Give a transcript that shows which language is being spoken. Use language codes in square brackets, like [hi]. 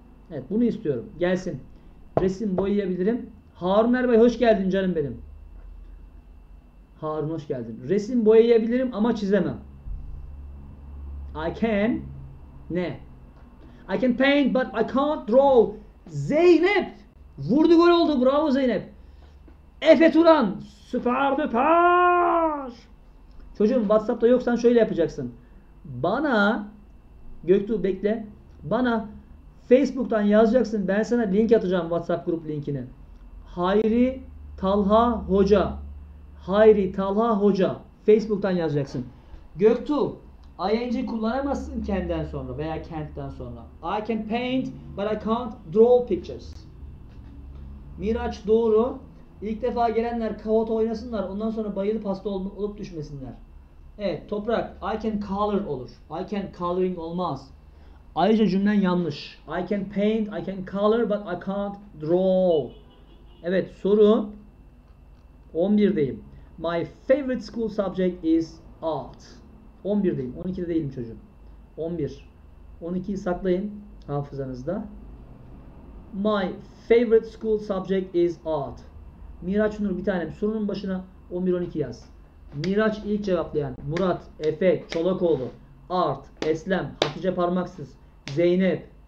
[tr] Evet, bunu istiyorum. Gelsin. Resim boyayabilirim. Harun Erbay hoş geldin canım benim. Harun hoş geldin. Resim boyayabilirim ama çizemem. [en] I can [tr] ne? [en] I can paint but I can't draw. [tr] Zeynep vurdu, gol oldu. Bravo Zeynep. Efe Turan süper süper. Çocuğum WhatsApp'ta yoksan şöyle yapacaksın. Bana Göktuğ bekle. Bana Facebook'tan yazacaksın. Ben sana link atacağım, WhatsApp grup linkini. Hayri Talha Hoca. Hayri Talha Hoca. Facebook'tan yazacaksın. Göktuğ, ing kullanamazsın kendinden sonra veya kentten sonra. [en] I can paint but I can't draw pictures. [tr] Miraç doğru. İlk defa gelenler kahvaltı oynasınlar. Ondan sonra bayılıp hasta olup düşmesinler. Evet, Toprak. [en] I can color [tr] olur. [en] I can coloring [tr] olmaz. Ayrıca cümlen yanlış. [en] I can paint, I can color, but I can't draw. [tr] Evet, soru 11'deyim. [en] My favorite school subject is art. [tr] 11'deyim. 12'de değilim çocuğum. 11. 12'yi saklayın hafızanızda. [en] My favorite school subject is art. [tr] Miraç Nur bir tanem. Sorunun başına 11-12 yaz. Miraç ilk cevaplayan. Murat, Efe, Çolakoğlu, Art, Eslem, Hatice Parmaksız, Zeynep.